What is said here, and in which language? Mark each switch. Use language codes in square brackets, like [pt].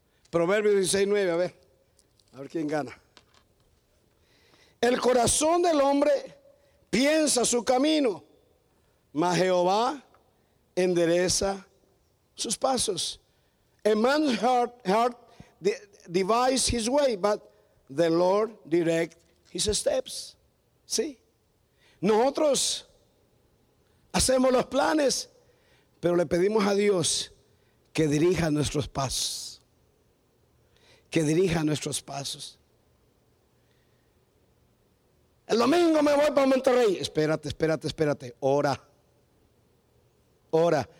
[es] Proverbio 16:9, a ver quién gana. El corazón del hombre piensa su camino, mas Jehová endereza sus pasos. [en] A man's heart devises his way, but the Lord directs his steps. [es] ¿Sí? Nosotros hacemos los planes, pero le pedimos a Dios que dirija nuestros pasos. Que dirija nuestros pasos. El domingo me voy para Monterrey. Espérate. Ora.